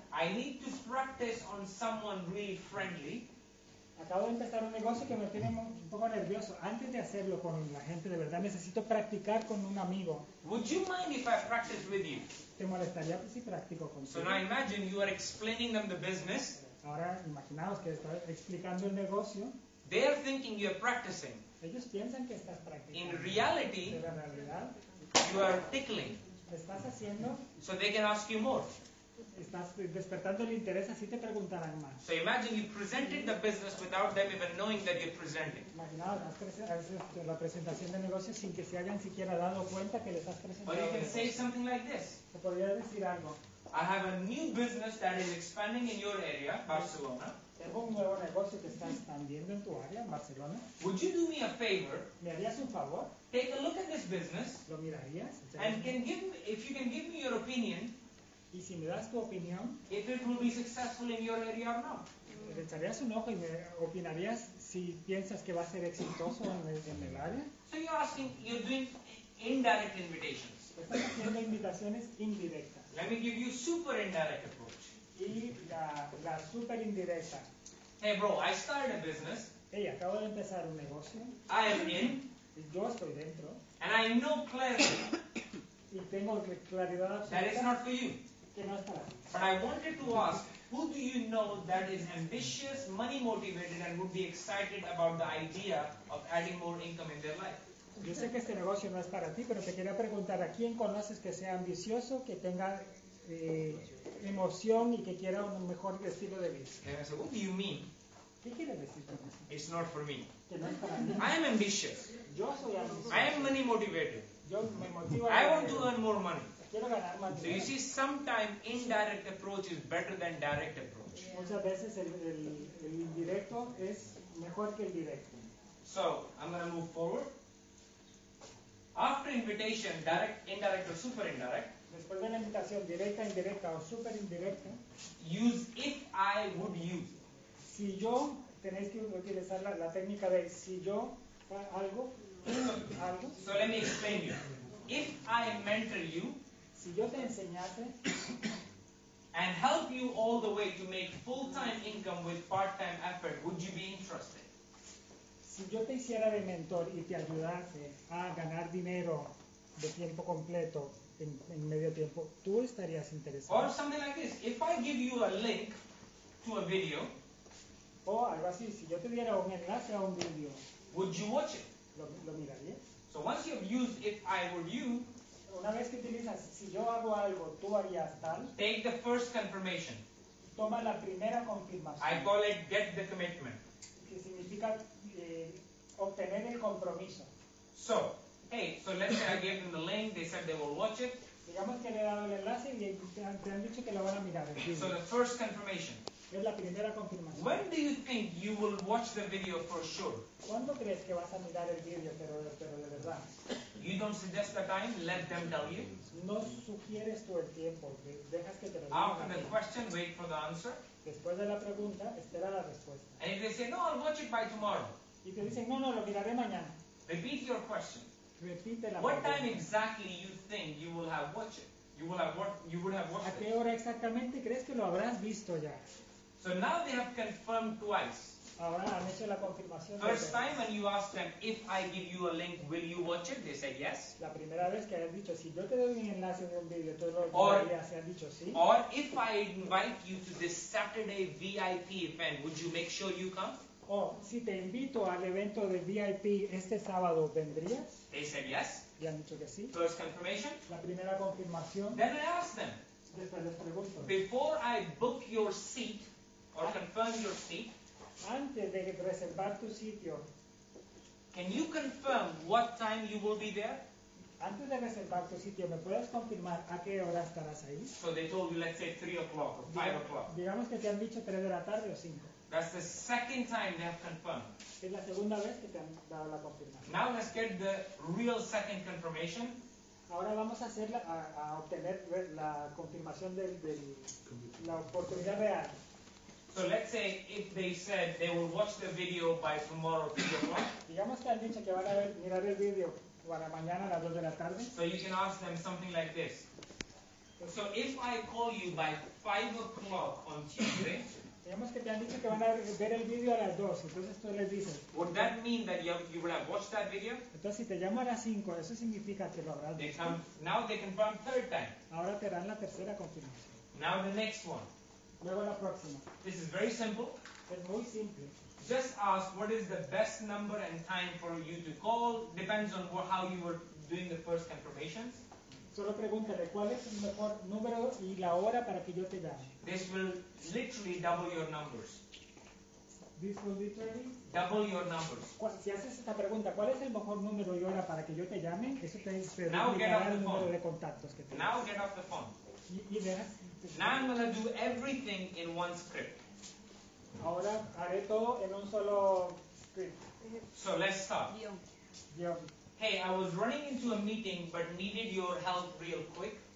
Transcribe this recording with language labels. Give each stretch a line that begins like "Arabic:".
English: I need to practice on someone really friendly.
Spanish: Acabo de empezar un negocio que me tiene un poco nervioso. Antes de hacerlo con la gente, de verdad, necesito practicar con un amigo.
English: Would you mind if I practice with you?
Spanish: ¿Te molestaría si practico contigo?
English: So now imagine you are explaining them the business.
Spanish: Ahora imaginaos que estás explicando el negocio.
English: They are thinking you are practicing.
Spanish: Ellos piensan que estás practicando.
English: In reality,
Spanish: en realidad,
English: you are tickling.
Spanish: Estás haciendo.
English: So they can ask you more.
Spanish: Estás despertando el interés, así te preguntarán más.
English: So imagine you presented the business without them even knowing that you're presenting.
Spanish: Imaginaos, has presentado la presentación de negocios sin que se hayan siquiera dado cuenta que le estás presentando.
English: Or you can say something like this.
Spanish: Te podría decir algo.
English: I have a new business that is expanding in your area, Barcelona.
Spanish: Tengo un nuevo negocio que está expandiendo en tu área, en Barcelona.
English: Would you do me a favor?
Spanish: ¿Me harías un favor?
English: Take a look at this business.
Spanish: ¿Lo mirarías?
English: And can give me, if you can give me your opinion.
Spanish: ¿Y si me das tu opinión?
English: If it will be successful in your area or not.
Spanish: ¿Le echarías un ojo y me opinarías si piensas que va a ser exitoso en el área?
English: So you're asking, you're doing indirect invitations.
Spanish: Estás haciendo invitaciones indirectas.
English: Let me give you super indirect approach.
Spanish: Y la super indirecta.
English: Hey bro, I started a business.
Spanish: Hey, acabo de empezar un negocio.
English: I am in.
Spanish: Yo estoy dentro.
English: And I know clearly.
Spanish: Y tengo claridad absoluta.
English: That is not for you.
Spanish: Que no es para ti.
English: But I wanted to ask, who do you know that is ambitious, money motivated, and would be excited about the idea of adding more income in their life?
Spanish: Yo sé que este negocio no es para ti, pero te quería preguntar, ¿a quién conoces que sea ambicioso, que tenga emoción y que quiera un mejor estilo de vida?
English: What do you mean?
Spanish: ¿Qué quieres decir con eso?
English: It's not for me.
Spanish: Que no es para mí.
English: I am ambitious.
Spanish: Yo soy ambicioso.
English: I am money motivated.
Spanish: Yo me motivo.
English: I want to earn more money.
Spanish: Quiero ganar más dinero.
English: So you see, sometimes indirect approach is better than direct approach.
Spanish: Muchas veces el indirecto es mejor que el directo.
English: So I'm going to move forward. After invitation, direct, indirect, or super indirect.
Spanish: Después de la invitación directa, indirecta o super indirecta.
English: Use if I would you.
Spanish: Si yo, tenéis que utilizar la técnica de si yo algo, algo.
English: So let me explain you. If I mentor you.
Spanish: Si yo te enseñase.
English: And help you all the way to make full-time income with part-time effort, would you be interested?
Spanish: Si yo te hiciera de mentor y te ayudase a ganar dinero de tiempo completo en medio tiempo, tú estarías interesado.
English: Or something like this. If I give you a link to a video.
Spanish: O algo así. Si yo te diera un enlace a un video.
English: Would you watch it?
Spanish: ¿Lo mirarías?
English: So once you have used if I were you.
Spanish: Una vez que utilizas, si yo hago algo, tú harías tal.
English: Take the first confirmation.
Spanish: Toma la primera confirmación.
English: I call it get the commitment.
Spanish: Que significa obtener el compromiso.
English: So, hey, so let's say I gave them the link, they said they will watch it.
Spanish: Digamos que le he dado el enlace y te han dicho que lo van a mirar.
English: So the first confirmation.
Spanish: Es la primera confirmación.
English: When do you think you will watch the video for sure?
Spanish: ¿Cuándo crees que vas a mirar el video, pero de verdad?
English: You don't suggest the time, let them tell you.
Spanish: No sugieres tú el tiempo, dejas que te lo digan.
English: After the question, wait for the answer.
Spanish: Después de la pregunta, espera la respuesta.
English: And if they say, no, I'll watch it by tomorrow.
Spanish: Y te dicen, no, lo miraré mañana.
English: Repeat your question.
Spanish: Repite la
English: what
Spanish: pregunta.
English: Time exactly you think you will have watched it? You would have watched
Spanish: it. ¿A qué hora exactamente crees que lo habrás visto ya?
English: So now they have confirmed twice.
Spanish: Ahora han hecho la confirmación.
English: First time when you ask them, if I give you a link, will you watch it? They said yes.
Spanish: La primera vez que has dicho, si yo te doy un enlace de un video, tú lo verías, se han dicho sí.
English: Or if I invite you to this Saturday VIP event, would you make sure you come?
Spanish: Oh, si te invito al evento de VIP este sábado, ¿vendrías?
English: They said yes.
Spanish: Y han dicho que sí.
English: First confirmation.
Spanish: La primera confirmación.
English: Then I ask them.
Spanish: Después les pregunto.
English: Before I book your seat, or confirm your seat.
Spanish: Antes de reservar tu sitio.
English: Can you confirm what time you will be there?
Spanish: Antes de reservar tu sitio, ¿me puedes confirmar a qué hora estarás ahí?
English: So they told you, let's say 3 o'clock or 5 o'clock.
Spanish: Digamos que te han dicho 3 de la tarde o 5.
English: That's the second time they have confirmed.
Spanish: Es la segunda vez que te han dado la confirmación.
English: Now let's get the real second confirmation.
Spanish: Ahora vamos a hacer a obtener la confirmación de la oportunidad real.
English: So let's say if they said they will watch the video by tomorrow 3 o'clock.
Spanish: Digamos que han dicho que van a mirar el video para mañana a las 2 de la tarde.
English: So you can ask them something like this. So if I call you by 5 o'clock on Tuesday.
Spanish: Digamos que te han dicho que van a ver el video a las 2, entonces tú les dices.
English: Would that mean that you would have watched that video?
Spanish: Entonces si te llamo a las 5, eso significa que lo habrás visto.
English: Now they confirm third time.
Spanish: Ahora te harán la tercera confirmación.
English: Now the next one.
Spanish: Luego la próxima.
English: This is very simple.
Spanish: Es muy simple.
English: Just ask what is the best number and time for you to call. Depends on how you were doing the first confirmations.
Spanish: Solo pregúntale cuál es el mejor número y la hora para que yo te llame.
English: This will literally double your numbers. This will literally double your numbers.
Spanish: Si haces esta pregunta, ¿cuál es el mejor número y hora para que yo te llame? Eso te espera el número de contactos que tengo.
English: Now get off the phone.
Spanish: Y verás.
English: Now I'm going to do everything in one script.
Spanish: Ahora haré todo en un solo script.
English: So let's start. Hey, I was running into a meeting but needed your help real quick.